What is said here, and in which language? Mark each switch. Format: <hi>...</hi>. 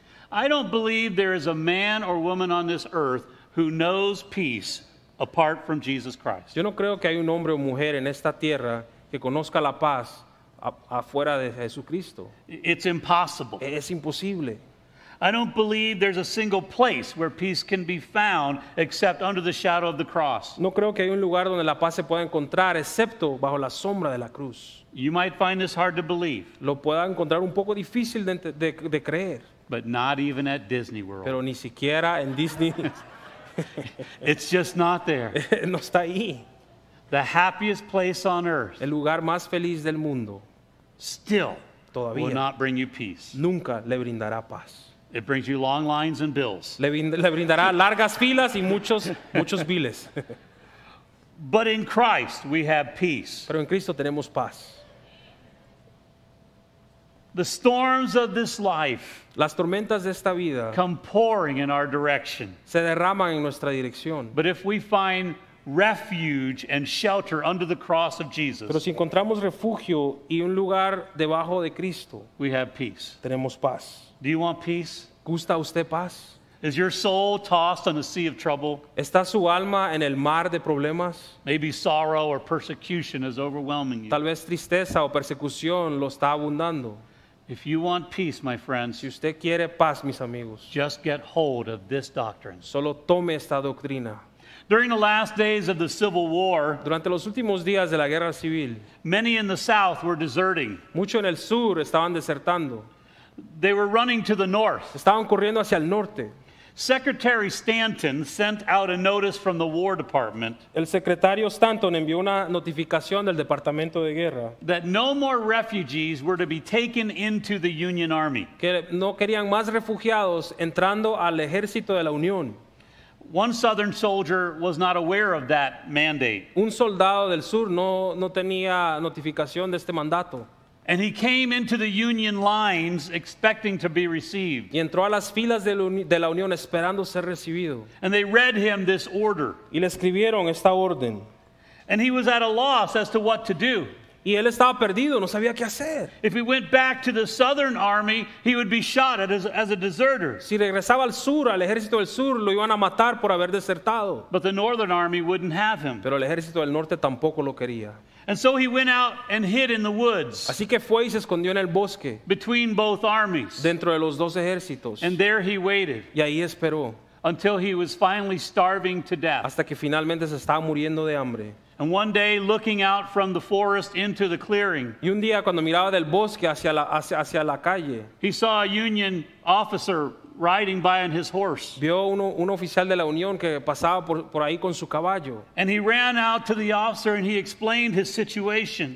<en>I don't believe there is a man or woman on this earth who knows peace apart from Jesus Christ.</en> <es>Yo no creo que hay un hombre o mujer en esta tierra que conozca la paz afuera de Jesucristo.</es> <en>It's impossible.</en> <es>Es imposible.</es> <en>I don't believe there's a single place where peace can be found except under the shadow of the cross.</en> <es>No creo que hay un lugar donde la paz se pueda encontrar excepto bajo la sombra de la cruz.</es> <en>You might find this hard to believe.</en> <es>Lo pueda encontrar un poco difícil de creer.</es> <en>But not even at Disney World.</en> <es>Pero ni siquiera en Disney.</es> <en>It's just not there.</en> <es>No está ahí.</es> <en>The happiest place on earth.</en> <es>El lugar más feliz del mundo.</es> <en>Still.</en> <es>Todavía.</es> <en>Will not bring you peace.</en> <es>Nunca le brindará paz.</es> <en>It brings you long lines and bills.</en> <es>Le brindará largas filas y muchos biles.</es> <en>But in Christ we have peace.</en> <es>Pero en Cristo tenemos paz.</es> <en>The storms of this life,</en> <es>las tormentas de esta vida,</es> <en>come pouring in our direction.</en> <es>Se derraman en nuestra dirección.</es> <en>But if we find refuge and shelter under the cross of Jesus,</en> <es>pero si encontramos refugio y un lugar debajo de Cristo,</es> <en>we have peace.</en> <es>Tenemos paz.</es> <en>Do you want peace?</en> <es>¿Gusta usted paz?</es> <en>Is your soul tossed on the sea of trouble?</en> <es>¿Está su alma en el mar de problemas?</es> <en>Maybe sorrow or persecution is overwhelming you.</en> <es>Tal vez tristeza o persecución lo está abundando.</es> <en>If you want peace, my friends,</en> <es>si usted quiere paz, mis amigos,</es> <en>just get hold of this doctrine.</en> <es>Solo tome esta doctrina.</es> <en>During the last days of the Civil War,</en> <es>durante los últimos días de la Guerra Civil,</es> <en>many in the South were deserting.</en> <es>Mucho en el sur estaban desertando.</es> <en>They were running to the north.</en> <es>Estaban corriendo hacia el norte.</es> <en>Secretary Stanton sent out a notice from the War Department.</en> <es>El secretario Stanton envió una notificación del Departamento de Guerra.</es> <en>That no more refugees were to be taken into the Union Army.</en> <es>Que no querían más refugiados entrando al ejército de la Unión.</es> <en>One Southern soldier was not aware of that mandate.</en> <es>Un soldado del sur no tenía notificación de este mandato.</es> <en>And he came into the Union lines expecting to be received.</en> <es>Y entró a las filas de la Unión esperando ser recibido.</es> <en>And they read him this order.</en> <es>Y le escribieron esta orden.</es> <en>And he was at a loss as to what to do.</en> <es>Y él estaba perdido, no sabía qué hacer.</es> <en>If he went back to the Southern Army, he would be shot as a deserter.</en> <es>Si regresaba al sur, al ejército del sur, lo iban a matar por haber desertado.</es> <en>But the Northern Army wouldn't have him.</en> <es>Pero el ejército del norte tampoco lo quería.</es> <en>And so he went out and hid in the woods.</en> <es>Así que fue y se escondió en el bosque.</es> <en>Between both armies.</en> <es>Dentro de los dos ejércitos.</es> <en>And there he waited.</en> <es>Y ahí esperó.</es> <en>Until he was finally starving to death.</en> <es>Hasta que finalmente se estaba muriendo de hambre.</es> <en>And one day, looking out from the forest into the clearing.</en> <es>Y un día cuando miraba del bosque hacia la calle.</es> <en>He saw a Union officer riding by on his horse.</en> <es>Vio un oficial de la Unión que pasaba por ahí con su caballo.</es> <en>And he ran out to the officer and he explained his situation.</en>